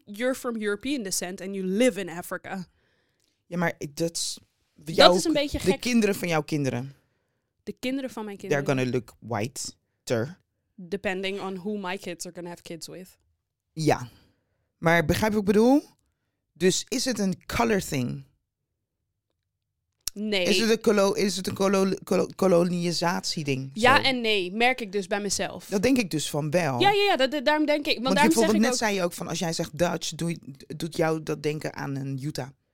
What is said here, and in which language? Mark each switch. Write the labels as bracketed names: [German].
[English] You're from European descent and you live in Africa. [Dutch] Ja, maar dat is... Dat is een beetje gek. De kinderen van jouw kinderen. De kinderen van mijn kinderen. [English] They're gonna look whiter. Depending on who my kids are gonna have kids with. [Dutch] Ja. Maar begrijp wat ik bedoel? Dus is het een color thing... Nee. Is het een kolonisatie ding? Ja zo? En nee, merk ik dus bij mezelf. Dat denk ik dus van wel. Ja, ja, ja, daarom denk ik. Want daarom bijvoorbeeld zeg net ik zei je ook van, als jij zegt Dutch, doet jou dat denken aan een Utah.